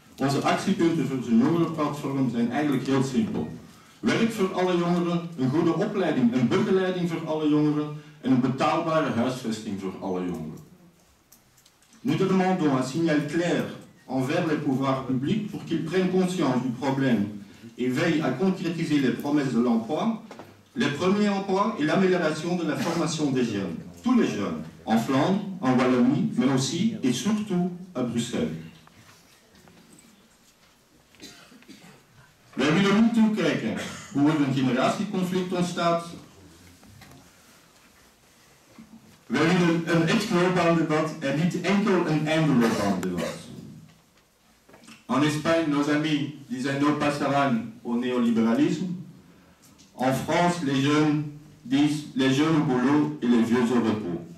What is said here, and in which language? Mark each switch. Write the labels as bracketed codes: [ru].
[nl] Onze actiepunten voor zo'n jongerenplatform zijn eigenlijk heel simpel. Werk voor alle jongeren, een goede opleiding, een begeleiding voor alle jongeren en een betaalbare huisvesting voor alle jongeren. [fr] Nous demandons un signal clair envers les pouvoirs publics pour qu'ils prennent conscience du problème et veillent à concrétiser les promesses de l'emploi, les premiers emplois et l'amélioration de la formation des jeunes, tous les jeunes, en Flandre, en Wallonie, mais aussi et surtout à Bruxelles. [nl] Wij willen nu toekijken hoe er een generatieconflict ontstaat. Wij willen een echt globaal debat en niet enkel een eindeloos debat. [fr] En Espagne, nos amis disaient [es] no pasarán [fr] au néolibéralisme. En France, les jeunes disent les jeunes au boulot et les vieux au repos.